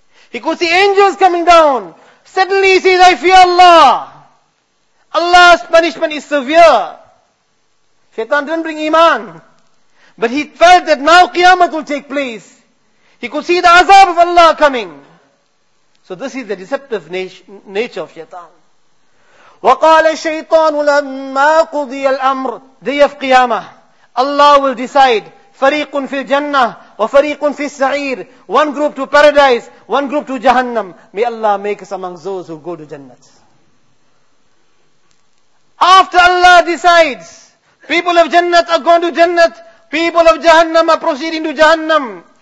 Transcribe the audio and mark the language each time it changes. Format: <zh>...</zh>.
<en>He could see angels coming down. Suddenly he says, I fear Allah. Allah's punishment is severe. Shaitan didn't bring Iman. But he felt that now Qiyamah will take place. He could see the azab of Allah coming. So this is the deceptive nature of Shaitan.</en> <ar>وَقَالَ الشَّيْطَانُ لَمَّا قُضِيَ الْأَمْرُ</ar> <en>Day of Qiyamah. Allah will decide.</en> <ar>فَرِيقٌ فِي الْجَنَّةِ وَفَرِيقٌ فِي السَّعِيرِ</ar> <en>One group to paradise, one group to Jahannam. May Allah make us among those who go to Jannah. After Allah decides, people of Jannah are going to Jannah, people of Jahannam are proceeding to Jahannam.</en>